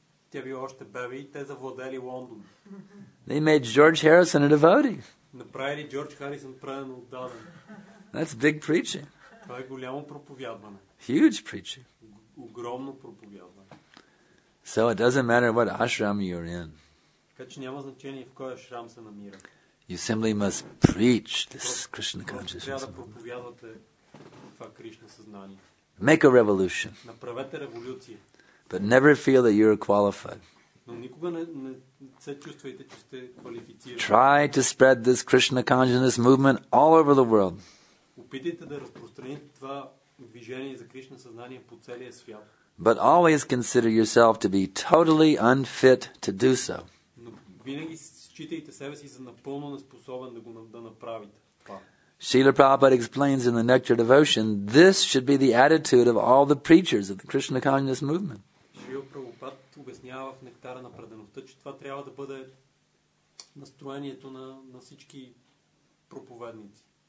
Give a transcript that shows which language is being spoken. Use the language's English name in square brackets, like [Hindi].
[Bulgarian] тя била още бебе и те завладели Лондон. [English] They made George Harrison a devotee. [Bulgarian] Направили Джордж Харисън преден отдаден. [English] That's big preaching. [Bulgarian] Това е голямо проповядване. [English] Huge preaching. [Bulgarian] Огромно проповядване. [English] So it doesn't matter what ashram you're in. [Bulgarian] Така че няма значение в кой ашрам се намира. [English] You simply must preach this Krishna consciousness. [Bulgarian] Трябва да проповядвате това Кришна съзнание. [English] Make a revolution. [Bulgarian] Направете революция. [English] But never feel that you're qualified. [Bulgarian] Но никога не се чувствайте, че сте квалифицирани. [English] Try to spread this Krishna consciousness movement all over the world. [Bulgarian] Опитайте да разпространите това движение за Кришна съзнание по целия свят. [English] But always consider yourself to be totally unfit to do so. [Bulgarian] Но винаги считайте себе си за напълно неспособен да го направите. [English] Srila Prabhupada explains in the Nectar Devotion, this should be the attitude of all the preachers of the Krishna Consciousness Movement. [Bulgarian] Srila Prabhupada обяснява в Нектара на предаността, че това трябва да бъде настроението на всички проповедници.